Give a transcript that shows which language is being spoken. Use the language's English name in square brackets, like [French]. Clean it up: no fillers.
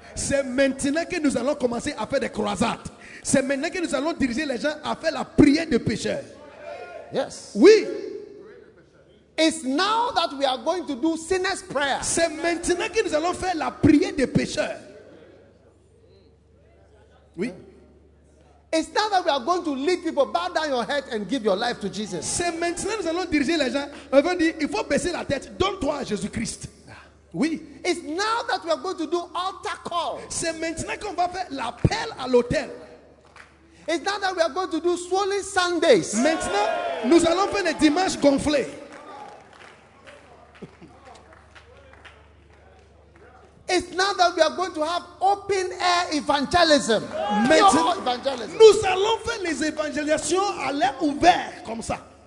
[French] C'est maintenant que nous allons commencer à faire des croisades. C'est maintenant que nous allons diriger les gens à faire la prière des pécheurs. [English] Yes. [French] Oui. [English] It's now that we are going to do sinner's prayer. [French] C'est maintenant que nous allons faire la prière des pécheurs. Oui. [English] It's not that we are going to lead people, bow down your head and give your life to Jesus. [French] C'est maintenant nous allons diriger les gens. On va dire, il faut baisser la tête. Donne-toi à Jésus-Christ. Oui. [English] It's now that we are going to do altar call. [French] C'est maintenant qu'on va faire l'appel à l'autel. [English] It's now that we are going to do swollen Sundays. [French] Maintenant, nous allons faire les dimanches gonflés. [English] It's now that we are going to have open air evangelism. [French] Maintenant, evangelism. Nous allons faire les évangélisations à l'air ouvert, comme ça.